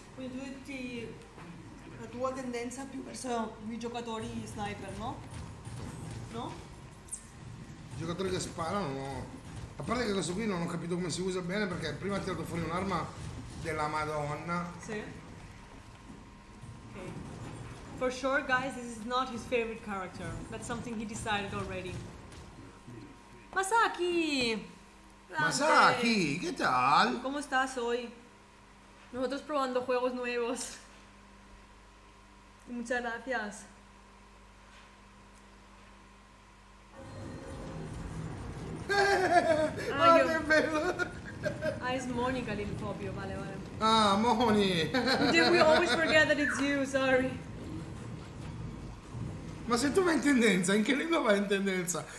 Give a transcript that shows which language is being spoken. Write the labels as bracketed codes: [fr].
[it] tutti la tua tendenza più verso i giocatori sniper, no? No? I giocatori che sparano, no. A parte che questo qui non ho capito come si usa bene, perché prima ha tirato fuori un'arma della Madonna. Sì. Okay. [en] For sure, guys, this is not his favorite character. That's something he decided already. Masaki! [es] Masaki, ¿qué tal? ¿Cómo estás hoy? Nosotros probando juegos nuevos. Muchas gracias. Ay, qué bello. Ah, es Mónica, little Popio, vale, vale. Ah, Moni. [en] Did we always forget that it's you, sorry. [it] Ma se tu vai in tendenza, in che lingua vai in tendenza?